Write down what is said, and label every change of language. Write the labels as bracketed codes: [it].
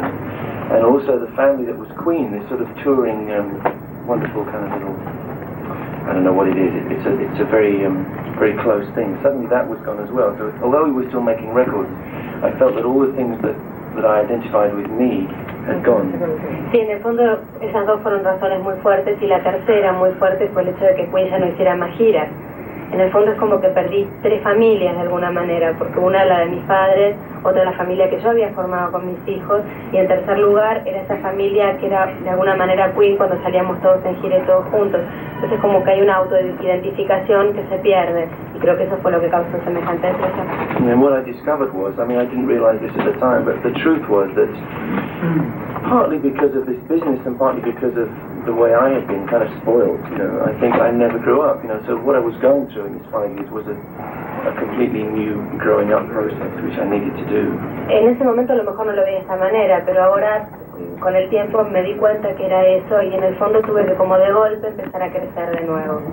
[en] And also the family that was Queen, this sort of touring, wonderful kind of little, I don't know what it is, it's a very very close thing. Suddenly that was gone as well. So although we were still making records, I felt that all the things that I identified with me had gone. [es] Sí, en el fondo esas dos fueron razones muy fuertes, y la tercera muy fuerte fue el hecho de que Queen ya no hiciera más giras. En el fondo es como que perdí tres familias de alguna manera, porque una la de mis padres, otra la familia que yo había formado con mis hijos, y en tercer lugar era esa familia que era de alguna manera Queen cuando salíamos todos en gira y todos juntos. Entonces como que hay una autoidentificación que se pierde, y creo que eso fue lo que causó semejante depresión. [en] And then what I discovered was, I mean, I didn't realize this at the time, but the truth was that partly because of this business and partly because of the way I had been kind of spoiled, you know, I think I never grew up, you know, so what I was going through in these 5 years was a completely new growing up process, which I needed to do. [es] En ese momento a lo mejor no lo vi de esta manera, pero ahora con el tiempo me di cuenta que era eso, y en el fondo tuve que como de golpe empezar a crecer de nuevo.